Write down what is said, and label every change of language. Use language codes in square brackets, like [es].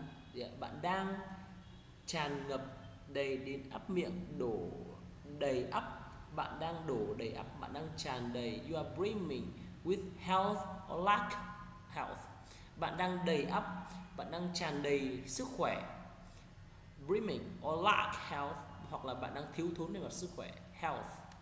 [vi] Bạn đang tràn ngập đầy đến ắp miệng, đổ đầy ắp. Bạn đang đổ đầy ắp, bạn đang tràn đầy. [en] You are brimming with health or lack health. [vi] Bạn đang đầy ắp, bạn đang tràn đầy sức khỏe. [en] Brimming or lack health, [vi] hoặc là bạn đang thiếu thốn về mặt sức khỏe. Health.